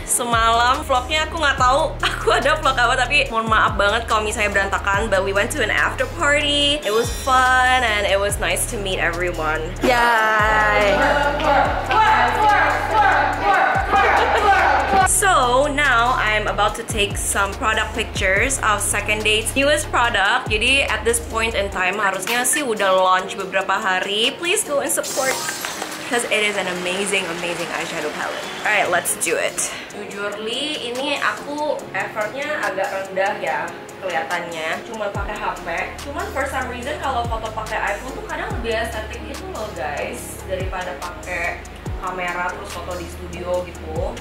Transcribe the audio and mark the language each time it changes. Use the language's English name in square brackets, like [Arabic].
[Indonesian] Semalam vlognya aku gak tahu aku ada vlog apa, tapi mohon maaf banget kalau misalnya berantakan. [English] But we went to an after party. It was fun and it was nice to meet everyone. Yay! So now I'm about to take some product pictures of second date's newest product. [Indonesian] Jadi [English] at this point in time [Indonesian] harusnya sih udah launch beberapa hari. [English] Please go and support, because it is an amazing, amazing eyeshadow palette. Alright, let's do it. [Indonesian] Jujurly, ini aku effortnya agak rendah ya kelihatannya. Cuma pakai HP. Cuman [English] for some reason [Indonesian] kalau foto pakai iPhone tuh kadang lebih estetik gitu loh guys, daripada pakai kamera terus foto di studio gitu.